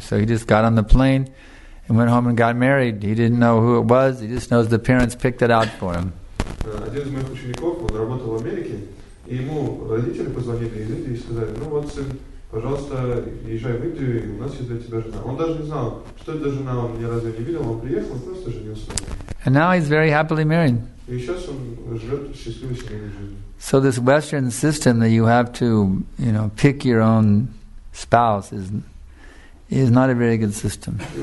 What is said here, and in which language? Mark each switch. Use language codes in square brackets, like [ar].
[en] So he just got on the plane and went home and got married. He didn't know who it was. He just knows the parents picked it out for him. [ru] Один из моих учеников, он работал в Америке, и ему родители позвонили из Индии и сказали: ну вот, сын, пожалуйста, езжай в Индию, у нас есть для тебя жена. Он даже не знал, что это жена, он ни разу не видел, он приехал, он просто женился. [en] And now he's very happily married. [ru] И сейчас он живет счастливой семейной жизнью. [en] So this Western system that you have to, you know, pick your own spouse is not a very good system.